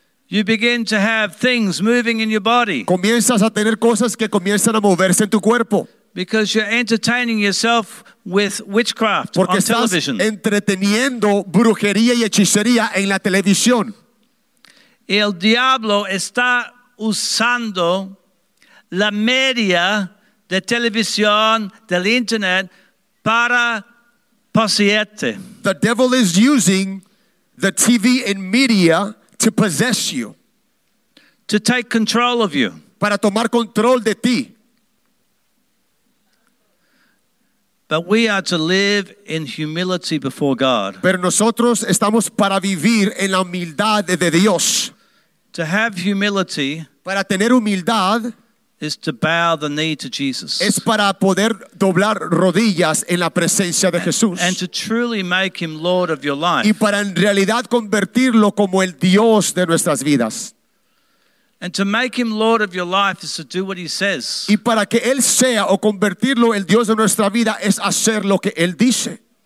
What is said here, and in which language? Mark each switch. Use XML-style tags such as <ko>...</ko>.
<en>You begin to have things moving in your body.</en> <es>Comienzas a tener cosas que comienzan a moverse en tu cuerpo.</es> <en>Because you're entertaining yourself with witchcraft.</en> <es>Porque</es> <en>on television.</en> <es>Estás entreteniendo brujería y hechicería en la televisión. El diablo está usando la media de televisión, del internet, para poseerte.</es> <en>The devil is using the TV and media to possess you. To take control of you.</en> <es>Para tomar control de ti.</es> <en>But we are to live in humility before God.</en> <es>Pero nosotros estamos para vivir en la humildad de Dios.</es> <en>To have humility,</en> <es>para tener humildad,</es> <en>is to bow the knee to Jesus.</en> <es>Es para poder doblar rodillas en la presencia de Jesús.</es> <en>And to truly make him Lord of your life.</en> <es>Y para en realidad convertirlo como el Dios de nuestras vidas.</es> <en>And to make him Lord of your life is to do what he says.</en> <es>Y para que él sea o convertirlo el Dios de nuestra vida es hacer lo que él dice.</es>